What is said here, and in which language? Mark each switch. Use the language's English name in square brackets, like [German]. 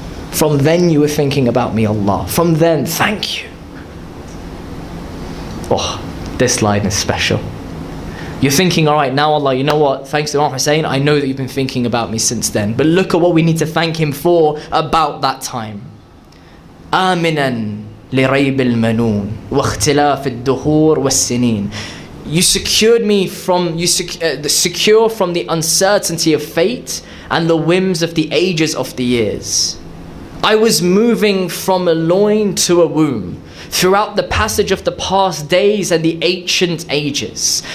[English] From then you were thinking about me, Allah. From then, thank you. Oh, this line is special. You're thinking, all right, now Allah, you know what? Thanks to Imam Hussein, I know that you've been thinking about me since then. But look at what we need to thank him for about that time. [Arabic] Aminan لريب المنون واختلاف الدهور والسنين. [English] You secured me secure from the uncertainty of fate and the whims of the ages of the years. I was moving from a loin to a womb throughout the passage of the past days and the ancient ages.